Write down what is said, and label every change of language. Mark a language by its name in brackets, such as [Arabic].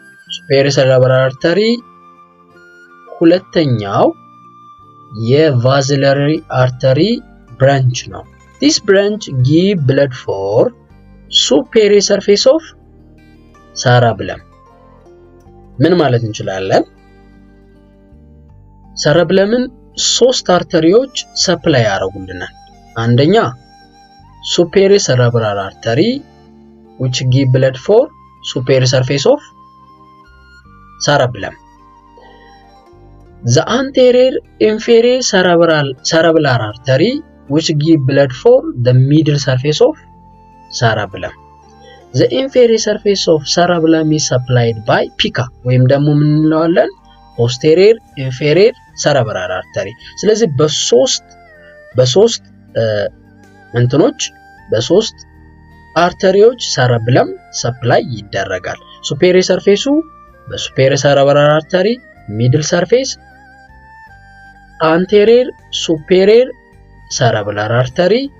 [English] Superior cerebral artery, ሁለተኛው የvasilar artery branch now. This branch give blood for superior surface of cerebellum. [Amharic] ምን ማለት እንችላለን? ሰረብለምን ሶስት አርተሪዎች ሰፕላይ ያረጉልናል። አንደኛ ሱፔሪየር ሰረብራል አርተሪ [English] which give blood for superior surface of cerebellum. The anterior inferior cerebellar artery which give blood for the middle surface of cerebellum. The inferior surface of cerebellum is supplied by pica [Amharic] ወይም ደግሞ ምን እንለዋለን [English] posterior inferior cerebellar artery. [Amharic] ስለዚህ በሶስት እንትኖች በሶስት አርተሪዎች ሰረብለም ሰፕላይ ይደረጋል። ሱፔሪየር ሰርፌሱ በሱፔሪየር ሰረብራል አርተሪ፣ ሚድል ሰርፌስ አንቴሪየር ሱፔሪየር ሰረብራል አርተሪ፣